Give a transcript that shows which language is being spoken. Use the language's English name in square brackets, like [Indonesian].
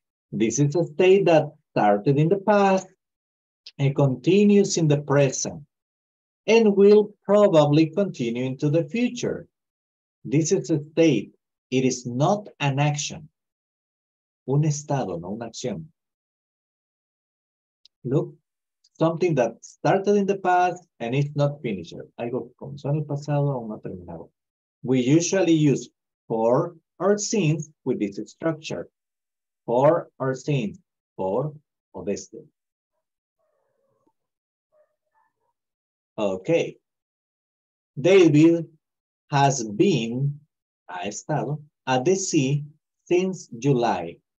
[English] This is a state that started in the past and continues in the present and will probably continue into the future. This is a state. It is not an action. [Spanish] Un estado, no una acción. [English] Look, something that started in the past and is not finished. [Spanish] Algo comenzó en el pasado o no terminado. [English] We usually use for or since with this structure. For or since, for or desde. Okay. David has been, [Spanish] ha estado, [English] at the sea since July.